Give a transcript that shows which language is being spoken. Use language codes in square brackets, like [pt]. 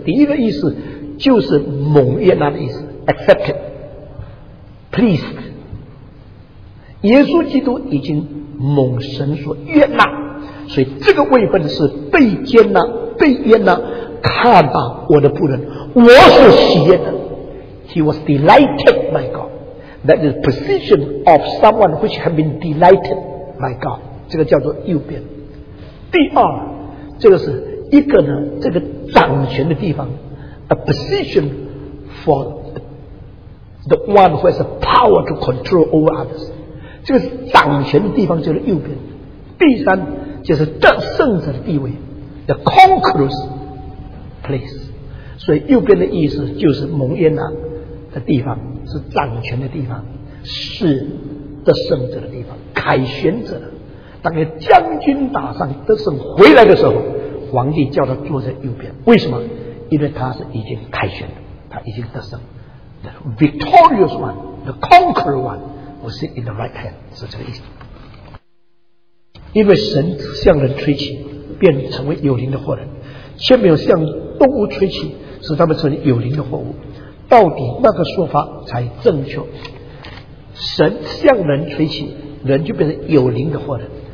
[zh] 第一个意思就是蒙悦纳的意思 ， accepted， pleased。耶稣基督已经蒙神所悦纳。所以这个位分是被接纳，被接纳，看吧我的仆人，我所喜悦的。 [en] He was delighted by God. That is the position of someone which has been delighted by God. [zh] 这个叫做右边。第二，这个是一个呢，这个掌权的地方， a position for the one who has the power to control over others. 这个掌权的地方就是右边。第三就是得胜者的地位 The conqueror's place，所以右边的意思就是蒙耶拿的地方，是掌权的地方，是得胜者的地方，凯旋者。当将军打上得胜回来的时候，皇帝叫他坐在右边，为什么？因为他是已经凯旋了，他已经得胜。 [en] The victorious one, the conqueror one, will sit in the right hand. [zh] 是这个意思。因为神向人吹气，便成为有灵的活人，却没有向动物吹气，使他们成为有灵的活物。到底那个说法才正确？神向人吹气，人就变成有灵的活人。